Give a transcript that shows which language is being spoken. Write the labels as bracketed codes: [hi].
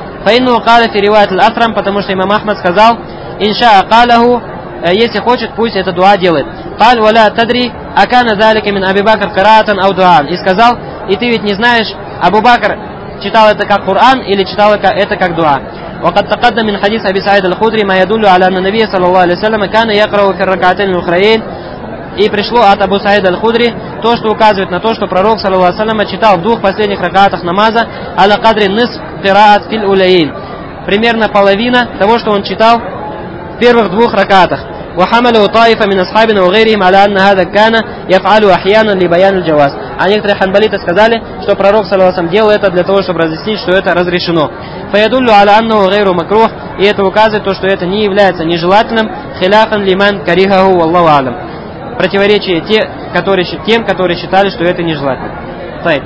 [ar] Фаинну кала фириват аль-Асрам, [ru] потому что имам Ахмад сказал, [ar] инша акалаху, [ru] если хочет, пусть это дуа делает. [ar] Каль валя тадри, акана залика мин Абу Бакр караатан ау дуаан. [ru] И сказал, и ты ведь не знаешь, Абу Бакр читал это как Коран или читал это как дуа. [ar] وقد تقدم من حديث أبي سعيد الخدري ما يدل على أن النبي صلى الله عليه وسلم كان يقرأ في الركعتين الأخرين. [ru] И пришло от Абу Саида аль-Худри то, что указывает на то, что пророк صلى الله عليه وسلم читал в двух последних ракаатах намаза [ar] على قدر نصف قراءة في الأولين. [ru] Примерно половина того, что он читал в первых двух ракаатах. [ar] وحمله طائفة من أصحابنا وغيرهم على أن هذا كان يفعل أحيانا لبيان الجواز. [ru] А некоторые ханбалиты сказали, что пророк صلى الله عليه وسلم делал это для того, чтобы разъяснить, что это разрешено. [ar] Фаядуллю аля анну гейру макрух, [ru] и это указывает то, что это не является нежелательным, [ar] хиляфан лиман каригаху валлаху алам. [ru] Противоречие тем, которые считали, что это нежелательно. Тайп.